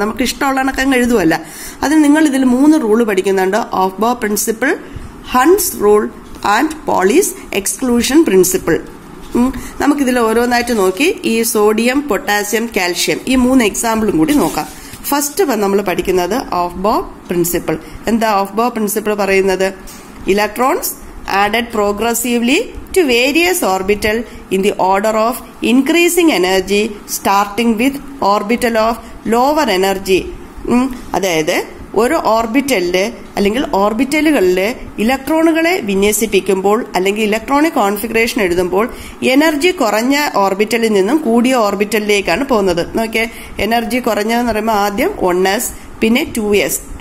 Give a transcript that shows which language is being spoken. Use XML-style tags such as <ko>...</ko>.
<ml>നമുക്ക് ഇഷ്ടമുള്ള കണക്കം എഴുതുമല്ല. അതിന് നിങ്ങൾ ഇതിൽ 3 റൂൾ പഠിക്കുന്നുണ്ട്, ഓഫ്ബോ principle, Hund's rule and Pauli's exclusion principle. നമുക്കിതിൽ ഓരോന്നായിട്ട് നോക്കി ഈ സോഡിയം, പൊട്ടാസ്യം, കാൽഷ്യം ഈ 3 എക്സാമ്പിളും കൂടി നോക്കാം. ഫസ്റ്റ് നമ്മൾ പഠിക്കുന്നത് ഓഫ്ബോ പ്രിൻസിപ്പിൾ. എന്താ ഓഫ്ബോ പ്രിൻസിപ്പിൾ പറയുന്നത്,</ml> <en>Electrons added progressively to various orbital in the order of increasing energy starting with orbital of lower energy. അതായത്</en> <ml>ഒരു ഓർബിറ്റലിലെ അല്ലെങ്കിൽ ഓർബിറ്റലുകളിലെ ഇലക്ട്രോണുകളെ വിന്യസിപ്പിക്കുമ്പോൾ അല്ലെങ്കിൽ ഇലക്ട്രോണിക് കോൺഫിഗറേഷൻ എഴുതുമ്പോൾ എനർജി കുറഞ്ഞ ഓർബിറ്റലിൽ നിന്നും കൂടിയ ഓർബിറ്റലിലേക്കാണ് പോകുന്നത്. നോക്കിയാൽ എനർജി കുറഞ്ഞതെന്ന് പറയുമ്പോൾ ആദ്യം 1s പിന്നെ 2s.</ml>